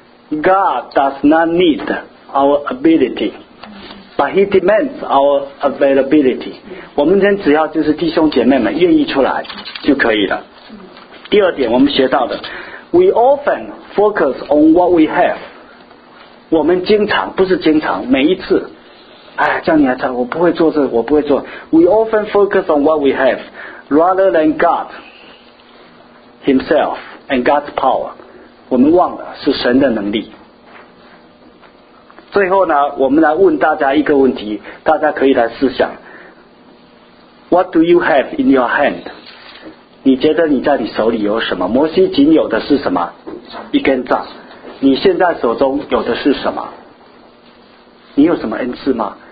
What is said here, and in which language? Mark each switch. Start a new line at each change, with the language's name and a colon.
English: God does not need our ability, but He demands our availability.
Chinese: 我们人只要就是弟兄姐妹们愿意出来就可以了。第二点我们学到的，
English: We often focus on what we have.
Chinese: 我们经常，不是经常，每一次，哎，叫你来猜，我不会做这个，我不会做。
English: We often focus on what we have rather than God Himself and God's power.
Chinese: 我们忘了是神的能力。最后呢，我们来问大家一个问题，大家可以来思想。
English: What do you have in your hand?
Chinese: 你觉得你在你手里有什么？摩西仅有的是什么？一根杖。你现在手中有的是什么？你有什么恩赐吗？